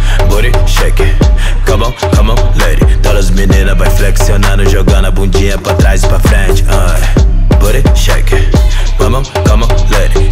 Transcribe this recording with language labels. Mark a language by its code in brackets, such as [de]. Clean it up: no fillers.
[en] Booty shake, come on, come on, lady. [pt] Todas as meninas vai flexionando, jogando a bundinha pra trás e pra frente. [en] Booty shake, come on, come on, lady.